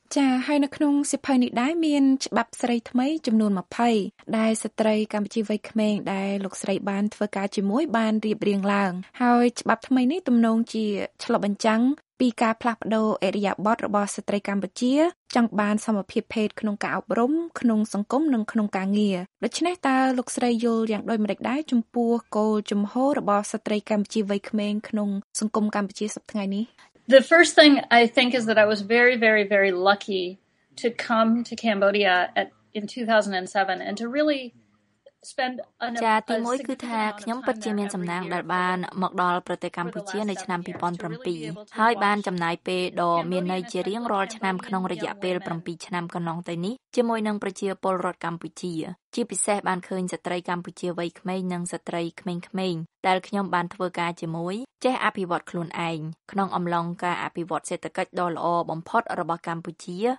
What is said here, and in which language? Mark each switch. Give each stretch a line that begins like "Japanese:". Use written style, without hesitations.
Khmer: ចា៎ហើយនៅក្នុងសៀវភៅនេះដែរមានច្បាប់ស្រីថ្មីចំនួន20ដែលស្ត្រីកម្ពុជាវ័យក្មេងដែលលោកស្រីបានធ្វើការជាមួយបានរៀបរៀងឡើងហើយច្បាប់ថ្មីនេះទំនងជាឆ្លុះបញ្ចាំងពីការផ្លាស់ប្តូរអរិយាប័ត្ររបស់ស្ត្រីកម្ពុជាចង់បានសមភាពភេទក្នុងការអប់រំក្នុងសង្គមនិងក្នុងការងារដូច្នេះតើលោកស្រីយល់យ៉ាងដូចម្តេចដែរចំពោះគោលជំហររបស់ស្ត្រីកម្ពុជាវ័យក្មេងក្នុងសង្គមកម្ពុជាសប្តាហ៍ថ្ងៃនេះ
English: The first thing I think is that I was very very very lucky to come to Cambodia at in 2007 and to really spend
Khmer: ចាទីមួយគឺថាខ្ញុំពិតជាមានសំណាងដែលបានមកដល់ប្រទេសកម្ពុជានៅឆ្នាំ2007ហើយបានចំណាយពេលដ៏មានន័យជារៀងរាល់ឆ្នាំក្នុងរយៈពេល7ឆ្នាំកន្លងទៅនេះជាមួយនឹងប្រជាពលរដ្ឋកម្ពុជាជាពិសេសបានឃើញស្ត្រីកម្ពុជាវ័យក្មេងនិងស្ត្រីក្មេងៗដែលខ្ញុំបានធ្វើការជាមួយចេះអភិវឌ្ឍខ្លួនឯងក្នុងអំឡុងការអភិវឌ្ឍសេដ្ឋកិច្ចដ៏ល្អបំផុតរបស់កម្ពុជា